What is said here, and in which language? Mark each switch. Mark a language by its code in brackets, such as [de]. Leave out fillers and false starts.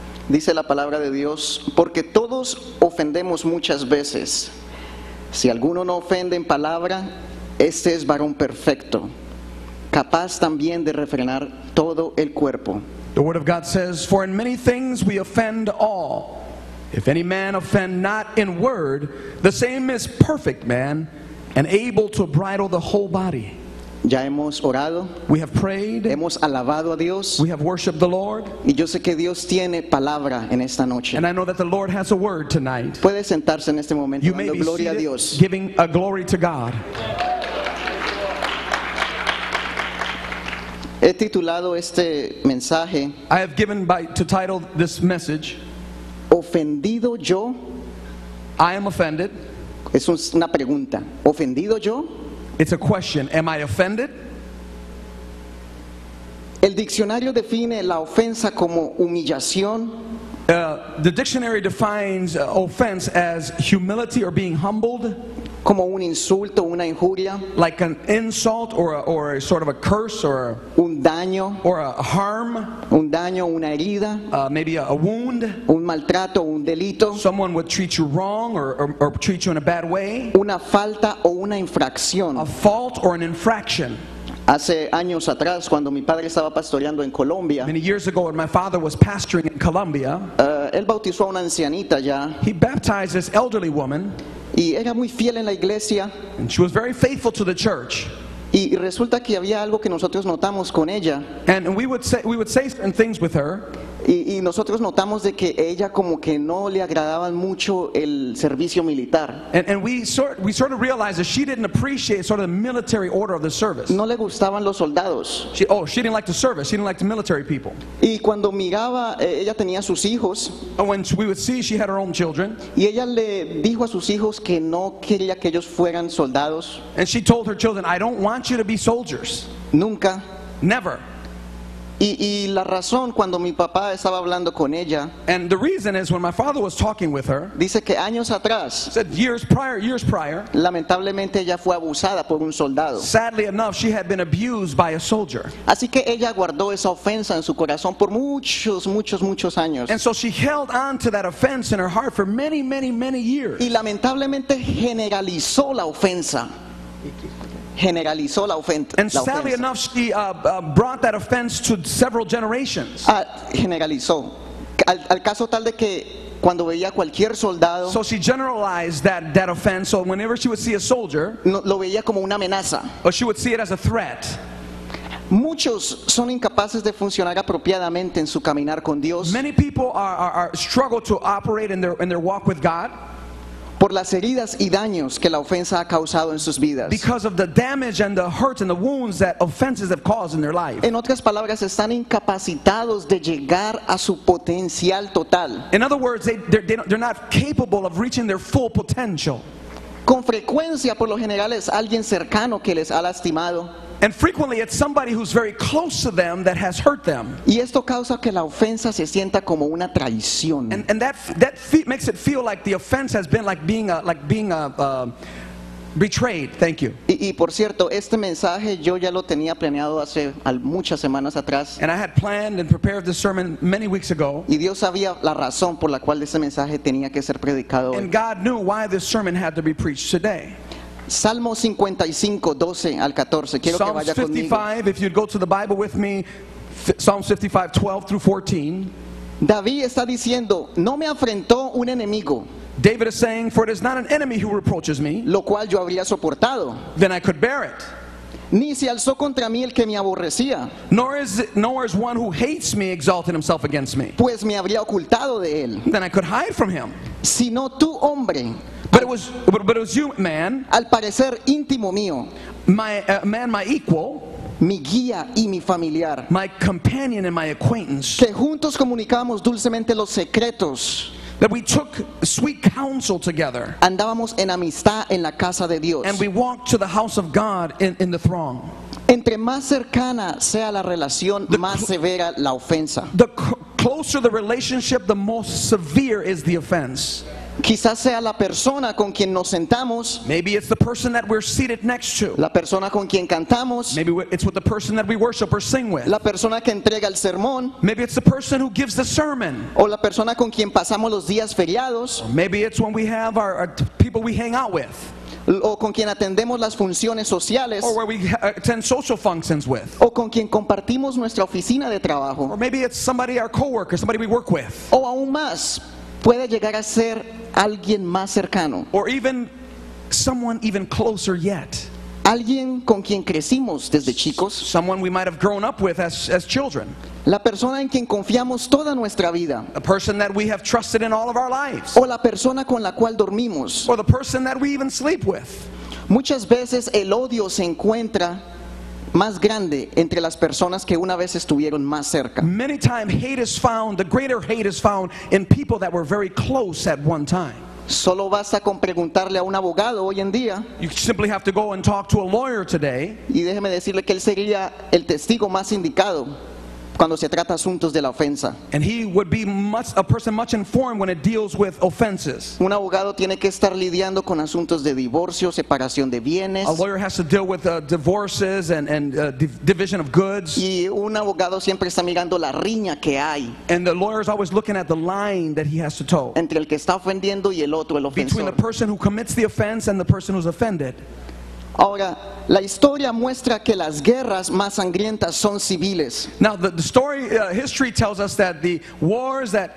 [es] Dice la palabra de Dios, porque todos ofendemos muchas veces. Si alguno no ofende en palabra, este es varón perfecto, capaz también de refrenar todo el cuerpo. [en] The word of God says, for in many things we offend all. If any man offend not in word, the same is perfect man, and able to bridle the whole body. [es] Ya hemos orado. [en] We have prayed. [es] Hemos alabado a Dios. [en] We have worshiped the Lord. [es] Y yo sé que Dios tiene palabra en esta noche. [en] And I know that the Lord has a word tonight. [es] Puede sentarse en este momento dando gloria a Dios. [en] Giving a glory to God. [es] He titulado este mensaje. [en] I have given to title this message. [es] Ofendido yo. [en] I am offended. [es] Es una pregunta. Ofendido yo. [en] It's a question, am I offended? [es] El diccionario define la ofensa como humillación. [en] The dictionary defines offense as humility or being humbled. [es] Como un insulto, una injuria. [en] Like an insult or a sort of a curse or [es] un daño. [en] Or a harm. [es] Un daño, una herida. [en] Maybe a wound. [es] Un maltrato, un delito. [en] Someone would treat you wrong or treat you in a bad way. [es] Una falta o una infracción. [en] A fault or an infraction. [es] Hace años atrás, cuando mi padre estaba pastoreando en Colombia, [en] many years ago when my father was pastoring in Colombia, [es] él bautizó a una ancianita ya. [en] He baptized this elderly woman. [es] Y era muy fiel en la iglesia. [en] And she was very faithful to the church. [es] Y resulta que había algo que nosotros notamos con ella. [en] And we would say certain things with her. [es] Y nosotros notamos de que ella como que no le agradaban mucho el servicio militar. [en] And we sort of realized that she didn't appreciate sort of the military order of the service. [es] No le gustaban los soldados. [en] She didn't like the service. She didn't like the military people. [es] Y cuando miraba, ella tenía sus hijos. [en] And when we would see, she had her own children. [es] Y ella le dijo a sus hijos que no quería que ellos fueran soldados. [en] And she told her children, I don't want you to be soldiers. [es] Nunca. [en] Never. [es] Y la razón cuando mi papá estaba hablando con ella. [en] And the reason is when my father was talking with her. [es] Dice que años atrás. [en] Said years prior. [es] Lamentablemente ella fue abusada por un soldado. [en] Sadly enough, she had been abused by a soldier. [es] Así que ella guardó esa ofensa en su corazón por muchos años. [en] And so she held on to that offense in her heart for many years. [es] Y lamentablemente generalizó la ofensa. [en] And sadly enough, she brought that offense to several generations. [es] Generalizó. Al caso tal de que cuando veía cualquier soldado. [en] So she generalized that offense. So whenever she would see a soldier. [es] No, lo veía como una amenaza. [en] Or she would see it as a threat. [es] Muchos son incapaces de funcionar apropiadamente en su caminar con Dios. [en] Many people are struggle to operate in their walk with God. [es] Por las heridas y daños que la ofensa ha causado en sus vidas. [en] Because of the damage and the hurts and the wounds that offenses have caused in their life. [es] En otras palabras, están incapacitados de llegar a su potencial total. [en] In other words, they're not capable of reaching their full potential. [es] Con frecuencia, por lo general, es alguien cercano que les ha lastimado. [en] And frequently, it's somebody who's very close to them that has hurt them. [es] Y esto causa que la ofensa se sienta como una traición. [en] And that makes it feel like the offense has been like being a, like being a betrayed. Thank you. [es] Y por cierto, este mensaje yo ya lo tenía planeado hace muchas semanas atrás. [en] And I had planned and prepared this sermon many weeks ago. [es] Y Dios sabía la razón por la cual este mensaje tenía que ser predicado. [en] And God knew why this sermon had to be preached today. [es] Salmo 55:12-14. Quiero [en] Psalms [es] que vaya [en] 55, [es] conmigo. [en] If you'd go to the Bible with me, Psalms 55:12-14. [es] David está diciendo, no me afrentó un enemigo. [en] David is saying, for it is not an enemy who reproaches me. [es] Lo cual yo habría soportado. [en] Then I could bear it. [es] Ni se alzó contra mí el que me aborrecía. [en] Nor is one who hates me exalting himself against me. [es] Pues me habría ocultado de él. [en] Then I could hide from him. [es] Sino tú, hombre. [en] But it was you, man. [es] Al parecer íntimo mío. [en] My equal. [es] Mi guía y mi familiar. [en] My companion and my acquaintance. [es] Que juntos comunicábamos dulcemente los secretos. [en] That we took sweet counsel together. [es] Andábamos en amistad en la casa de Dios. [en] And we walked to the house of God in the throng. [es] Entre más cercana sea la relación, más severa la ofensa. [en] The closer the relationship, the more severe is the offense. [es] Quizás sea la persona con quien nos sentamos. [en] Maybe it's the person that we're seated next to. [es] La persona con quien cantamos. [en] Maybe it's with the person that we worship or sing with. [es] La persona que entrega el sermón. [en] Maybe it's the person who gives the sermon. [es] O la persona con quien pasamos los días feriados. [en] Or maybe it's when we have our people we hang out with. [es] O con quien atendemos las funciones sociales. [en] Or where we attend social functions with. [es] O con quien compartimos nuestra oficina de trabajo. [en] Or maybe it's somebody, our coworker, somebody we work with. [es] O aún más. Puede llegar a ser alguien más cercano. [en] Or even someone even closer yet. [es] Alguien con quien crecimos desde chicos. [en] Someone we might have grown up with as children. [es] La persona en quien confiamos toda nuestra vida. [en] A person that we have trusted in all of our lives. [es] O la persona con la cual dormimos. [en] Or the person that we even sleep with. [es] Muchas veces el odio se encuentra más grande entre las personas que una vez estuvieron más cerca. [en] Many times hate is found, the greater hate is found in people that were very close at one time. [es] Solo basta con preguntarle a un abogado hoy en día. [en] You simply have to go and talk to a lawyer today. [es] Y déjeme decirle que él sería el testigo más indicado cuando se trata asuntos de la ofensa. [en] And he would be a person much informed when it deals with offenses. [es] Un abogado tiene que estar lidiando con asuntos de divorcio, separación de bienes. [en] A lawyer has to deal with divorces and division of goods. [es] Y un abogado siempre está mirando la riña que hay. [en] And the lawyer is always looking at the line that he has to toe. [es] Entre el que está ofendiendo y el otro, el ofensor. [en] Between the person who commits the offense and the person who's offended. [es] Ahora, la historia muestra que las guerras más sangrientas son civiles. [en] Now, history tells us that the wars that...